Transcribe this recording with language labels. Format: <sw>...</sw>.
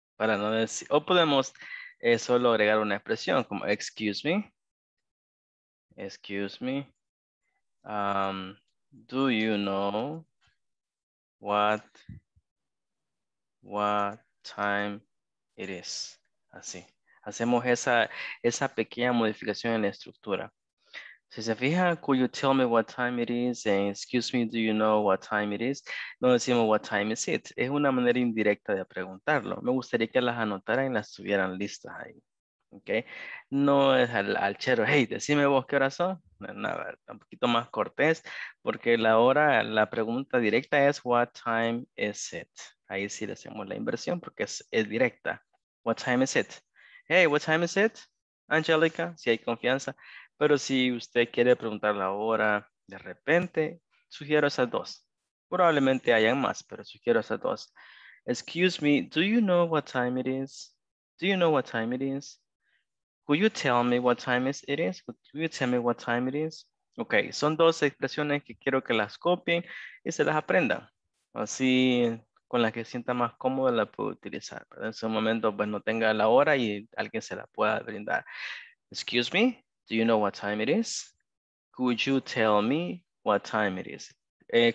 <es>Para no decir, o podemos solo agregar una expresión como</es> <en>excuse me, do you know what time it is?</en> <es>Así, hacemos esa pequeña modificación en la estructura. Si se fija,</es> <en>could you tell me what time it is? And excuse me, do you know what time it is?</en> <es>No decimos</es> <en>what time is it.</en> <es>Es una manera indirecta de preguntarlo. Me gustaría que las anotaran y las tuvieran listas ahí. Okay. No es al chero, hey, decime vos qué hora son. Nada, no, un poquito más cortés, porque la hora, la pregunta directa es,</es> <en>what time is it?</en> <es>Ahí sí le hacemos la inversión porque es directa.</es> <en>What time is it? Hey, what time is it? Angélica,</en> <es>si hay confianza. Pero si usted quiere preguntar la hora de repente, sugiero esas dos. Probablemente hayan más, pero sugiero esas dos.</es> <en>Excuse me, do you know what time it is? Do you know what time it is? Could you tell me what time it is? Could you tell me what time it is?</en> <es>Ok, son dos expresiones que quiero que las copien y se las aprendan. Así, con las que sienta más cómoda la puedo utilizar. Pero en su momento, pues no tenga la hora y alguien se la pueda brindar.</es> <en>Excuse me, do you know what time it is? Could you tell me what time it is?</en>